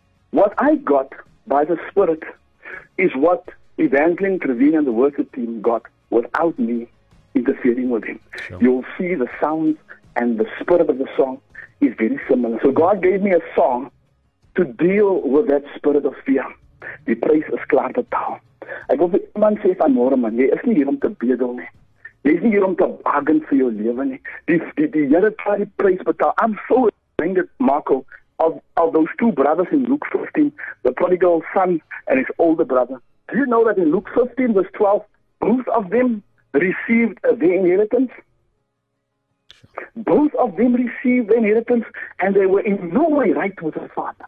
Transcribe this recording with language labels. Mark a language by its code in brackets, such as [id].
[en] What I got by the Spirit is what Evangeline Trevine and the worship team got without me interfering with him. Sure. You'll see the sounds and the spirit of the song is very similar. So God gave me a song to deal with that spirit of fear. [af] The praise is klaar betaal. Ek wil vir iemand sê vanmôre, man, jy is nie hier om te bedel nie. Jy is nie hier om te bargain vir jou lewe nie. Die Here het klaar die prys betaal. [en] I'm so reminded, Marco, of those two brothers in Luke 15, the prodigal son and his older brother. Do you know that in Luke 15, verse 12, both of them received the inheritance? Both of them received the inheritance, and they were in no way right with the Father.